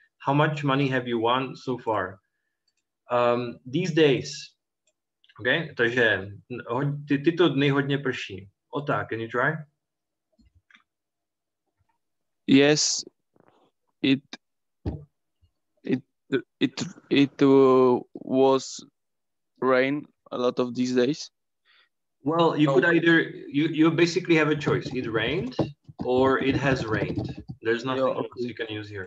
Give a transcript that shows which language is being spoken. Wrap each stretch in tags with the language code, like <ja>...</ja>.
<en>How much money have you won so far? These days,</en> <cs>Okay, takže tyto dny hodně prší.</cs> <en>Ota, can you try? Yes, it was rain a lot of these days. Well, could either, you basically have a choice. It rained or it has rained. There's nothing else you can use here.</en>